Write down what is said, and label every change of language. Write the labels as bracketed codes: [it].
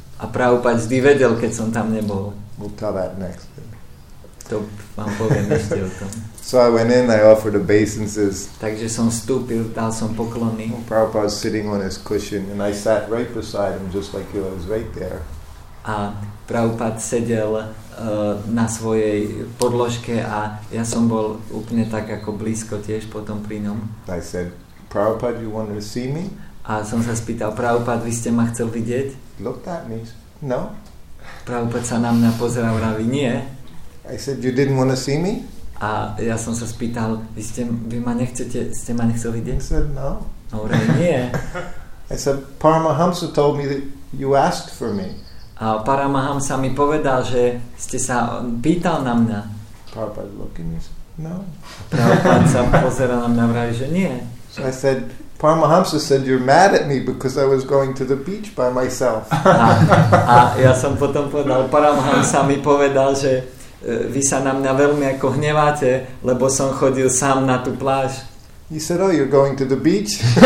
[sk] A Prabhupada vždy vedel, keď som tam nebol. [en] We'll tell that next. [sk] To vám poviem ešte o tom. [en] So I went in, I offered obeisances. [sk] Takže som vstúpil, dal som poklony. [en] Well, Prabhupada was sitting on his cushion and I sat right beside him just like he was right there. [sk] A Prabhupada sedel na svojej podložke a ja som bol úplne tak ako blízko tiež potom pri ňom. [en] I said, Prabhupada, you wanted to see me? [sk] A som sa spýtal, Prabhupada, vy ste ma chcel vidieť? [en] Looked at me. No. [sk] Prabhupada sa na mňa pozeral, vraví, nie. [en] I said, you didn't want to see me? [sk] A ja som sa spýtal, ste ma nechcel vidieť? [en] I said, no. [sk] A vraví, nie. [en] I said, Paramahamsa told me that you asked for me. [sk] A Paramahamsa mi povedal, že ste sa pýtal na mňa. [en] Prabhupada looking, he said, no. [sk] Prabhupada sa pozera na mňa, vraví, že nie. [en] So I said, Paramahamsa said, you're mad at me because I was going to the beach by myself. [sk] A ja som potom povedal, Paramahamsa mi povedal, že vy sa na mňa veľmi ako hneváte, lebo som chodil sám na tú pláž. [en] He said, oh, you're going to the beach?